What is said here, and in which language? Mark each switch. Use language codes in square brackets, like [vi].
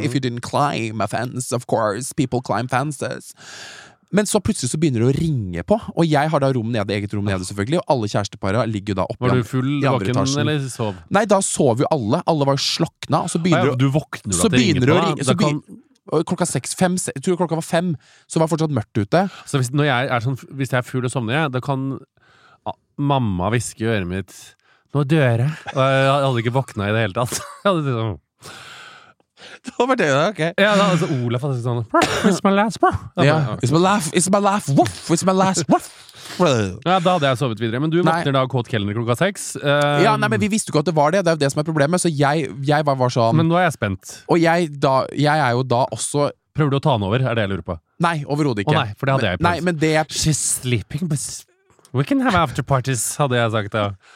[en] If you didn't climb a fence, of course, people climb fences. [no] Men så plutselig så begynner det å ringe på, og jeg har da rom nede, eget rom nede selvfølgelig, og alle kjæresteparer ligger da oppe. Var du full i andre etasjen, eller sov? Nei, da sov jo alle. Alle var slokna, og så begynner det å... Du våkner da til ringe på, da kan... Klokka seks, fem, jeg tror klokka var fem, så var det fortsatt mørkt ute. Så hvis, når jeg er sånn, hvis jeg er full og somner, ja, da kan mamma viske i øret mitt, nå dør jeg. Og jeg hadde ikke våknet i det hele tatt. Jeg hadde ikke sånn... Det var det, ok. Ja, da, altså, Olaf hadde sånn, [en] it's my last, bro. [no] Ja, [en] it's my last, woof, it's my last, woof. [no] Ja, da hadde jeg sovet videre. Men du våkner da kåt kellner klokka seks. Ja, nei, men vi visste ikke at det var det. Det er jo det som er problemet. Så jeg var sånn. Men nå er jeg spent. Og jeg, da, jeg er jo da også. Prøver du å ta han over? Er det jeg lurer på? Nei, overhovedet ikke. Å nei, for det hadde jeg prøvd. Nei, men det [en] she's sleeping, but we can have after parties, [no] hadde jeg sagt da.